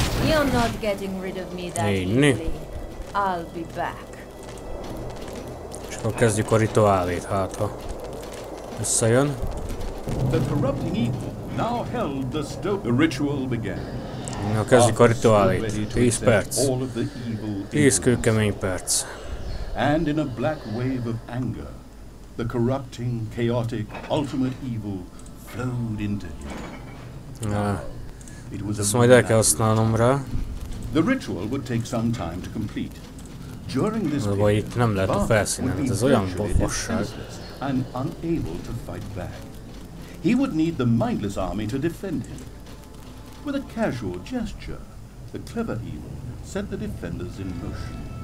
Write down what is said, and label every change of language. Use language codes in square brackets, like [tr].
[en] You're not getting rid of me that easily. I'll be back. [hu] És akkor kezdjük a rituálét, hát ha összejön. [en] The corrupting evil now held the stone. The ritual began. [hu] Na, kezdjük a rituálét. 10 perc. 10 kőkemény perc. [en] And in a black wave of anger, the corrupting, chaotic, ultimate evil flowed into him. [hu] Ezt majd el kell használnom rá. [en] The ritual would take some time to complete. During this period, Bart would be virtually defenseless and unable to fight back. He would need the mindless army to defend him. With a casual gesture, the clever evil set the defenders in motion.